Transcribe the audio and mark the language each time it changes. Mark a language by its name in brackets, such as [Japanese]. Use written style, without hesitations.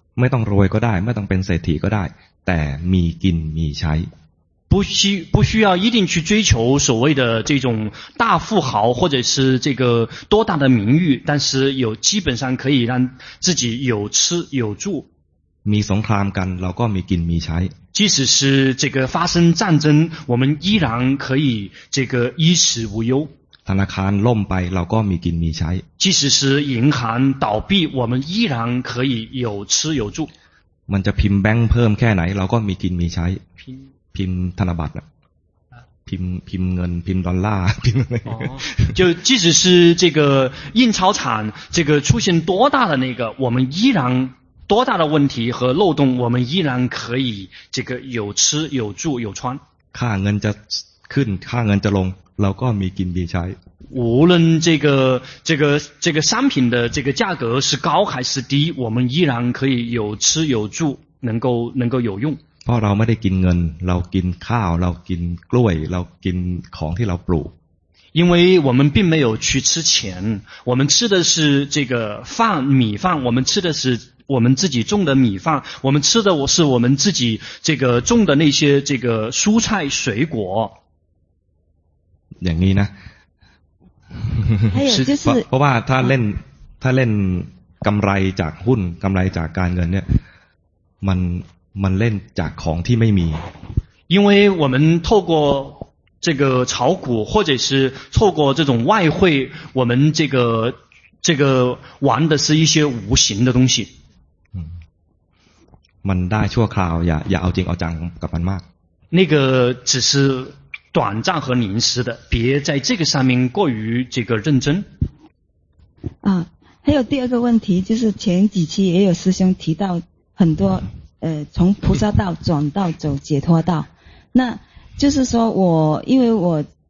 [Thai] ไม่ต้องรวยก็ได้ไม่ต้องเป็นเศรษฐีก็ได้แต่มีกินมีใช้ [Chinese] 不需要一定去追求所谓的这种大富豪或者是这个多大的名誉，但是有基本上可以让自己有吃有住。 [Thai] มีสงครามกันเราก็มีกินมีใช้。 [Chinese] 即使是这个发生战争，我们依然可以这个衣食无忧。 [Thai] ธนาคารล่มไปเราก็มีกินมีใช้。 [Chinese] 即使是银行倒闭，我们依然可以有吃有住。 [Thai] มันจะพิมพ์แบงค์เพิ่มแค่ไหนเราก็มีกินมีใช้พิมพ์ธนบัตรพิมพ์เงินพิมพ์ดอลลาร์พิมพ์อะไ [Chinese] ร就即使是这个印钞厂这个出现多大的那个我们依然多大的问题和漏洞我们依然可以这个有吃有住有穿 [Thai] ค่าเงินจะขึ้นค่าเงินจะลงเราก็มีกินมีใช้ [Chinese] 无论这个商品的这个价格是高还是低我们依然可以有吃有住能够有用 [Thai] เพราะเราไม่ได้กินเงินเรากินข้าวเรากินกล้วยเรากินของที่เราปลูก [Chinese] 因为我们并没有去吃钱我们吃的是这个饭米饭我们吃的是我们自己种的米饭我们吃的是我们自己这个种的那些这个蔬菜水果 [Thai] อย่างนี้นะ [Chinese] 是就是 [Thai] เพราะว่าถ้าเล่นกำไรจากหุ้นกำไรจากการเงินเนี่ยมันเล่นจากของที่ไม่มี [Chinese] 因为我们透过这个炒股或者是透过这种外汇我们这个玩的是一些无形的东西 [Thai] มันได้ชั่วคราวอย่าเอาจริงเอาจังกับมันมาก [Chinese] 那个只是短暂和临时的别在这个上面过于这个认真啊还有第二个问题就是前几期也有师兄提到很多从菩萨道转到走解脱道那就是说我因为我